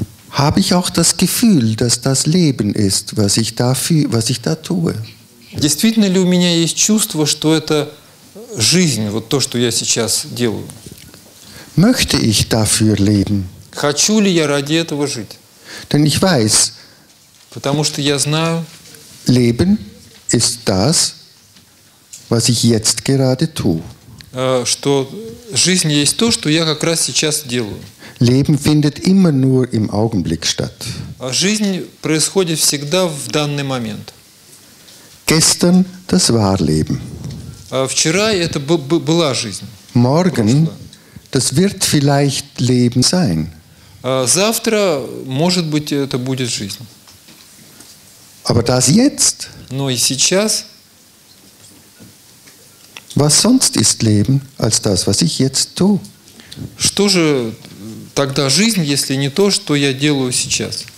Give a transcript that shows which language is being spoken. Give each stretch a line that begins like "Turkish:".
German: Habe ich auch das Gefühl, dass das Leben ist, was ich dafür, was ich da tue?
Russian: Действительно ли у меня есть чувство, что это жизнь, вот то, что я сейчас делаю?
German: Möchte ich dafür leben?
Russian: Хочу ли я ради этого жить?
German: Denn ich weiß.
Russian: Потому что я знаю.
German: Leben ist das, was ich jetzt gerade tue.
Russian: Что жизнь есть то, что я как раз сейчас делаю.
German: Leben findet immer nur im Augenblick statt.
Russian: Жизнь происходит всегда в данный момент.
German: Gestern das war Leben.
Russian: Вчера это была жизнь.
German: Morgen das wird vielleicht Leben sein.
Russian: Завтра, может быть, это будет жизнь.
German: Aber das jetzt.
Russian: Но и сейчас.
German: Was sonst ist Leben als das, was ich jetzt tue?
Russian: Что же тогда жизнь, если не то, что я делаю сейчас?